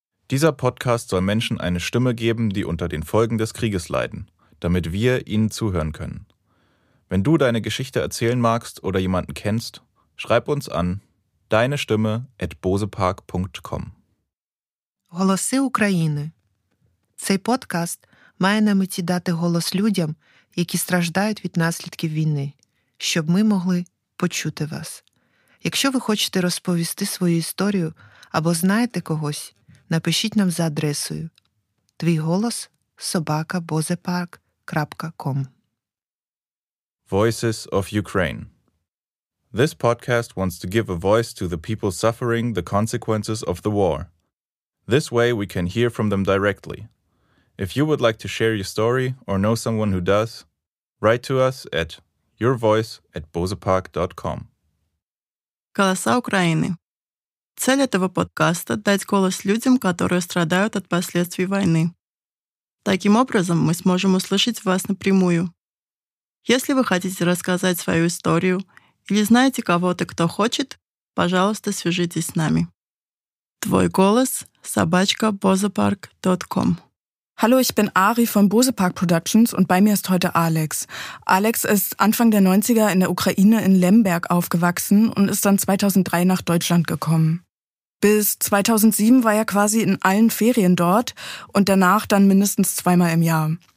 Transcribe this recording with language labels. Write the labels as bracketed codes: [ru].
[de] Dieser Podcast soll Menschen eine Stimme geben, die unter den Folgen des Krieges leiden, damit wir ihnen zuhören können. Wenn du deine Geschichte erzählen magst oder jemanden kennst, schreib uns an deinestimme@bosepark.com. [uk] Голоси України. Цей подкаст має на меті дати голос людям, які страждають від наслідків війни, щоб ми могли почути вас. Якщо ви хочете розповісти свою історію або знаєте когось, напишіть нам за адресою твійголос@bosepark.com. [en] Voices of Ukraine. This podcast wants to give a voice to the people suffering the consequences of the war. This way we can hear from them directly. If you would like to share your story or know someone who does, write to us at yourvoice@bosepark.com. [ru] Голоса України. Ціль этого подкаста – дать голос людям, которые страдают от последствий войны. Таким образом, мы сможем услышать вас напрямую. Если вы хотите рассказать свою историю или знаете кого-то, кто хочет, пожалуйста, свяжитесь с нами. Твой голос – @bosepark.com. [de] Hallo, ich bin Ari von Bosepark Productions und bei mir ist heute Alex. Alex ist Anfang der 90er in der Ukraine in Lemberg aufgewachsen und ist dann 2003 nach Deutschland gekommen. Bis 2007 war er quasi in allen Ferien dort und danach dann mindestens zweimal im Jahr.